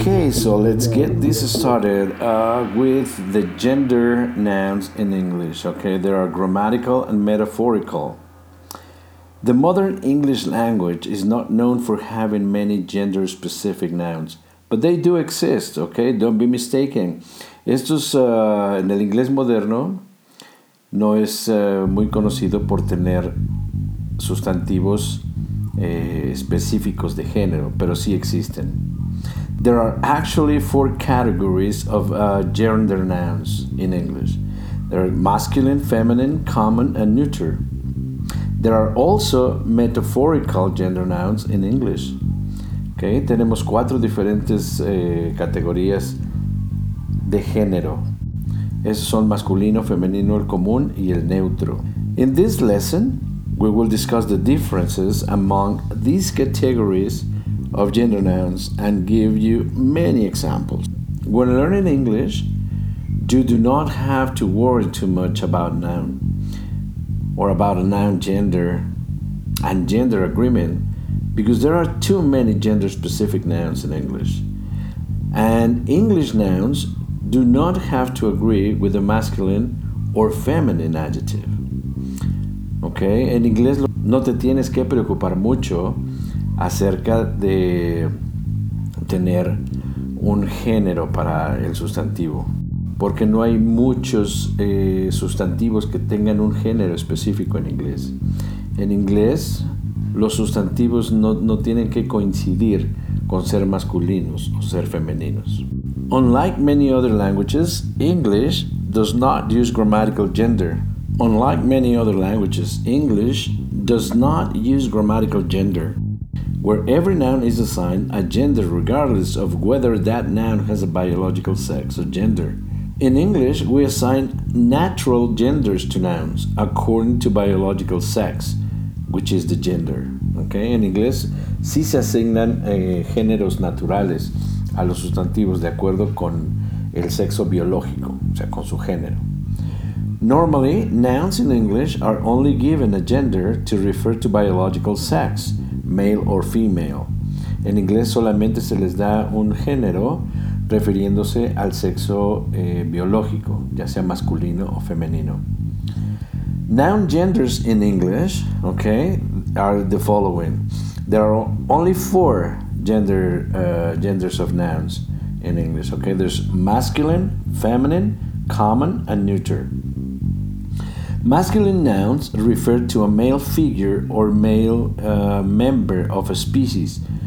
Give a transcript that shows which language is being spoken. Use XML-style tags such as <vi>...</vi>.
<en>So let's get this started with the gender nouns in English. Okay, there are grammatical and metaphorical. The modern English language is not known for having many gender-specific nouns, but they do exist. Okay, don't be mistaken.</en> <es>Estos en el inglés moderno no es muy conocido por tener sustantivos específicos de género, pero sí existen.</es> <en>There are actually four categories of gender nouns in English. There are masculine, feminine, common, and neuter. There are also metaphorical gender nouns in English.</en> <es>Okay, tenemos cuatro diferentes categorías de género. Esos son masculino, femenino, el común, y el neutro.</es> <en>In this lesson, we will discuss the differences among these categories of gender nouns and give you many examples. When learning English, you do not have to worry too much about noun or about a noun gender and gender agreement because there are too many gender specific nouns in English. And English nouns do not have to agree with a masculine or feminine adjective.</en> <es>Okay, en inglés no te tienes que preocupar mucho acerca de tener un género para el sustantivo, porque no hay muchos sustantivos que tengan un género específico en inglés. En inglés, los sustantivos no tienen que coincidir con ser masculinos o ser femeninos.</es> <en>Unlike many other languages, English does not use grammatical gender. Unlike many other languages, English does not use grammatical gender. Where every noun is assigned a gender regardless of whether that noun has a biological sex or gender. In English, we assign natural genders to nouns according to biological sex, which is the gender. Okay?</en> <es>En inglés, sí se asignan géneros naturales a los sustantivos de acuerdo con el sexo biológico, o sea, con su género.</es> <en>Normally, nouns in English are only given a gender to refer to biological sex, male or female.</en> <es>En inglés solamente se les da un género refiriéndose al sexo biológico, ya sea masculino o femenino.</es> <en>Noun genders in English, okay, are the following. There are only four genders of nouns in English, okay? There's masculine, feminine, common, and neuter. Masculine nouns refer to a male figure or male member of a species.</en>